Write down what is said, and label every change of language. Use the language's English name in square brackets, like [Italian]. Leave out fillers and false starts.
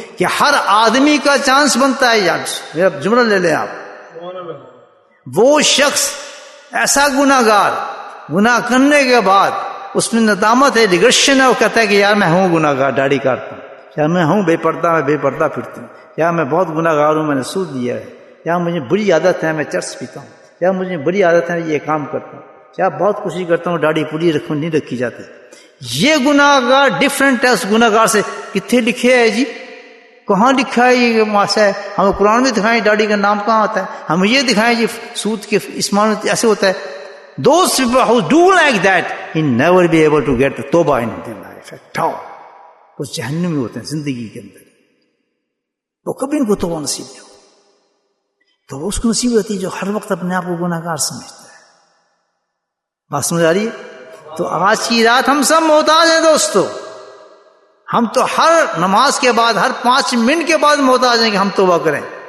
[Hindi] कि हर आदमी का चांस बनता है, मेरा जुमला ले लें आप, वो शख्स ऐसा गुनाहगार, गुनाह करने के बाद उसमें नदामत है, रिग्रेशन है, वो कहता है कि यार मैं हूं गुनाहगार, दाढ़ी काटता हूं, या मैं हूं बेपर्दा, मैं बेपर्दा फिरती हूं, या मैं बहुत गुनाहगार हूं, मैंने सूद लिया है, या मुझे बुरी आदत है, मैं चर्स पीता हूं, या मुझे बुरी आदत है, ये काम करता हूं, या बहुत खुशी करता हूं, दाढ़ी पूरी रखू नहीं रखी जाती, ये गुनाहगार डिफरेंट है उस गुनाहगार से। कितने लिखे है जी, कहाँ लिखा है ये मासा है, हम कुरान में दिखाएं दाढ़ी का नाम कहाँ आता है, हम ये दिखाएं जी सूद के इस मान ऐसे होता है। [English] Those people who do like that, he never be able to get the toba in their life at all. [Hindi] वो जहन्नम में होते हैं जिंदगी के अंदर, वो कभी इनको तोबा नसीब नहीं होगी। तो उसको नसीब होती है जो हर वक्त अपने आप को गुनाहगार समझता है। बात समझ आ रही है? तो आज की रात हम सब मोहताज हैं दोस्तों, हम तो हर नमाज के बाद, हर 5 मिनट के बाद मोहताज हैं कि हम तोबा करें।